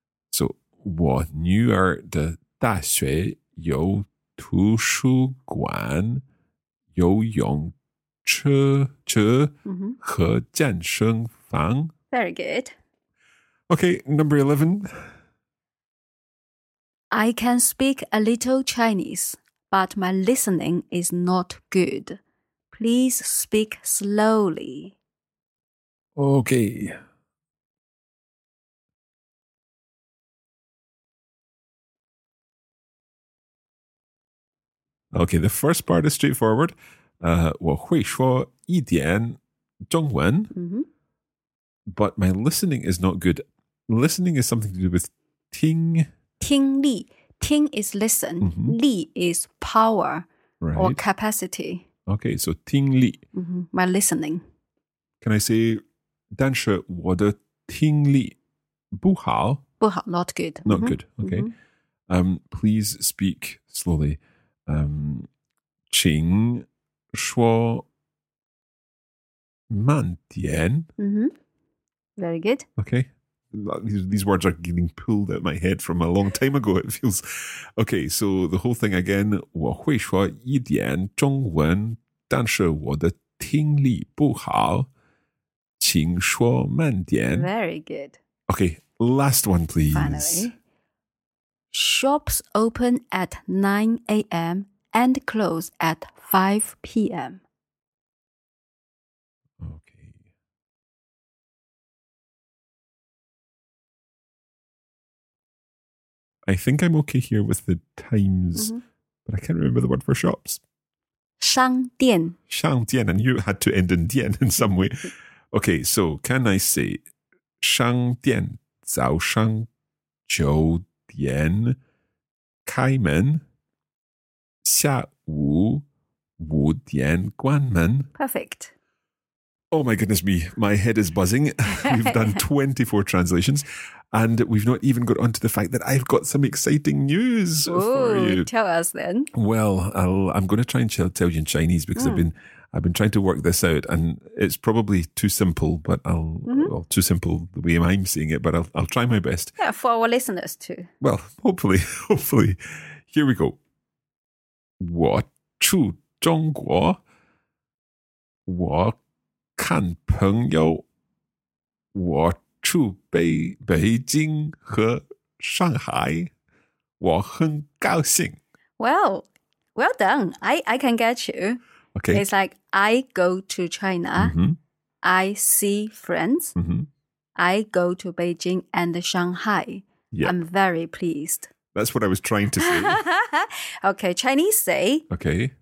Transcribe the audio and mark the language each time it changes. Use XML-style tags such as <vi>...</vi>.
<zh>So, 我女儿的大学有图书馆、游泳池、和健身房。</zh> <en>Very good. Okay, number 11. I can speak a little Chinese. But my listening is not good. Please speak slowly. Okay. Okay, the first part is straightforward.</en> <zh>我会说一点中文,</zh> <en>but my listening is not good. Listening is something to do with 听.</en> <zh>听力。</zh> <en>听 is listen, 力 is power、 right. or capacity. Okay, so 听力、 My listening. Can I say,</en> <zh>但是我的听力不好不好</zh> <en>not good. Not good, okay.、please speak slowly.、</en> <zh>请说慢点、</zh> <en>Very good. Okay. These words are getting pulled out of my head from a long time ago, it feels. Okay, so the whole thing again.</en> <zh>我会说一点中文，但是我的听力不好。请说慢点。</zh> <en>Very good. Okay, last one, please. Finally. Shops open at 9 a.m. and close at 5 p.m. I think I'm okay here with the times,、but I can't remember the word for shops.</en> <zh>商店。</zh> <en>商店, and you had to end in 店 in some way. Okay, so can I say</en> <zh>商店早上九点开门下午五点关门</zh> <en>Perfect. Oh my goodness me, my head is buzzing. We've done 24 translations and we've not even got onto the fact that I've got some exciting news for you. Tell us then. Well, I'm going to try and tell you in Chinese because I've been trying to work this out and it's probably too simple, but too simple the way I'm seeing it, but I'll try my best. Yeah, for our listeners too. Well, hopefully. Here we go.</en> <zh>我住中国我看朋友，我住北京和上海，我很高兴。</zh> <en>Well done. I can get you. Okay. It's like, I go to China, I see friends, I go to Beijing and Shanghai. Yeah. I'm very pleased. That's what I was trying to say. Okay, Chinese say, okay,</en>